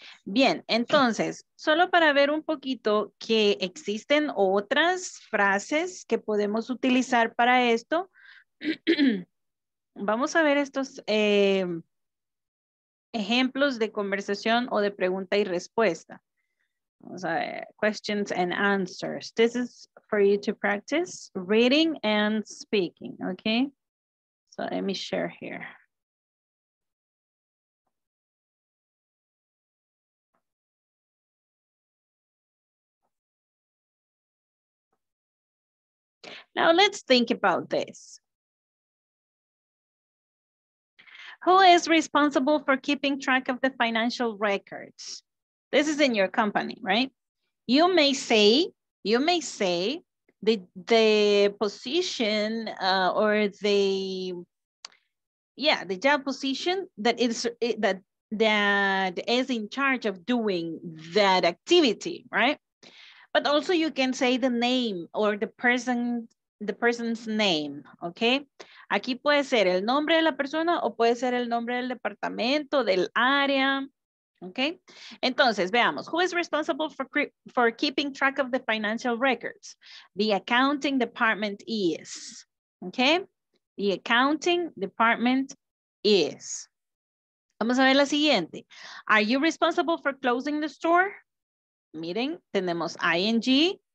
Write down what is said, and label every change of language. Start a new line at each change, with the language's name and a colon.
Spanish: Bien, entonces, solo para ver un poquito que existen otras frases que podemos utilizar para esto, vamos a ver estos ejemplos de conversación o de pregunta y respuesta. Vamos a ver,
English: questions and answers. This is for you to practice reading and speaking, okay? So let me share here. Now let's think about this. Who is responsible for keeping track of the financial records? This is in your company, right? You may say the position or the, yeah, the job position that is in charge of doing that activity, right? But also you can say the name or the person's name, okay?
Spanish: Aquí puede ser el nombre de la persona o puede ser el nombre del departamento, del área, okay? Entonces, veamos,
English: who is responsible for keeping track of the financial records? The accounting department is, okay? The accounting department is.
Spanish: Vamos a ver la siguiente.
English: Are you responsible for closing the store?
Spanish: Miren, tenemos ing.